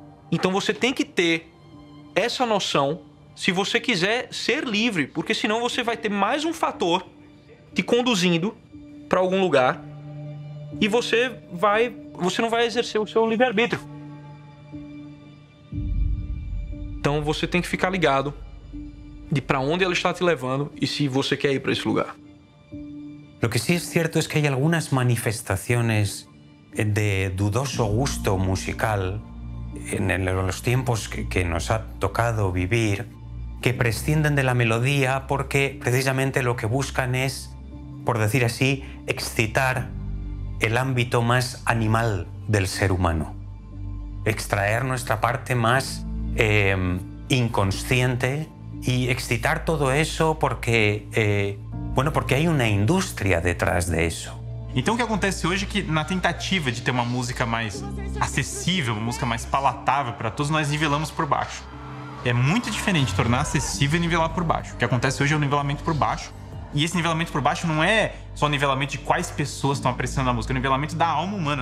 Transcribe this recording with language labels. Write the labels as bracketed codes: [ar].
[pt] Então você tem que ter essa noção se você quiser ser livre, porque senão você vai ter mais um fator te conduzindo para algum lugar e você não vai exercer o seu livre-arbítrio. Então você tem que ficar ligado de para onde ela está te levando e se você quer ir para esse lugar. [es] Lo que sí es cierto es que hay algunas manifestaciones de dudoso gusto musical en los tiempos que nos ha tocado vivir que prescinden de la melodía porque precisamente lo que buscan es, por decir así, excitar el ámbito más animal del ser humano, extraer nuestra parte más inconsciente y excitar todo eso porque, bueno, porque hay una industria detrás de eso. [pt] Então o que acontece hoje é que na tentativa de ter uma música mais acessível, uma música mais palatável para todos, nós nivelamos por baixo. É muito diferente tornar acessível e nivelar por baixo. O que acontece hoje é o nivelamento por baixo. E esse nivelamento por baixo não é só o nivelamento de quais pessoas estão apreciando a música, é o nivelamento da alma humana.